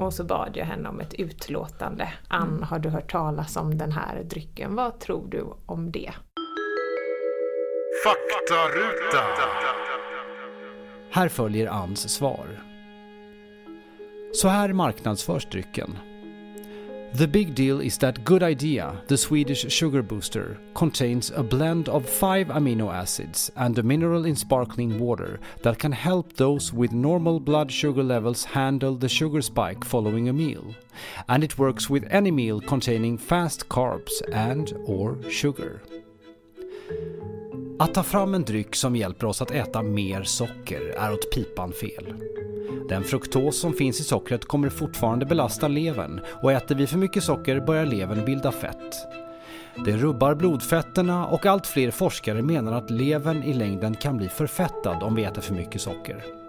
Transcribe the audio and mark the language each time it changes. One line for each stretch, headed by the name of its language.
Swedish: Och så bad jag henne om ett utlåtande. Ann, har du hört talas om den här drycken? Vad tror du om det? Faktaruta. Här följer Ans svar. Så här marknadsförs drycken.
English: The big deal is that Good Idea, the Swedish sugar booster, contains a blend of 5 amino acids and a mineral in sparkling water that can help those with normal blood sugar levels handle the sugar spike following a meal. And it works with any meal containing fast carbs and or sugar.
Swedish: Att ta fram en dryck som hjälper oss att äta mer socker är åt pipan fel. Den fruktos som finns i sockret kommer fortfarande belasta levern, och äter vi för mycket socker börjar levern bilda fett. Det rubbar blodfetterna, och allt fler forskare menar att levern i längden kan bli förfettad om vi äter för mycket socker.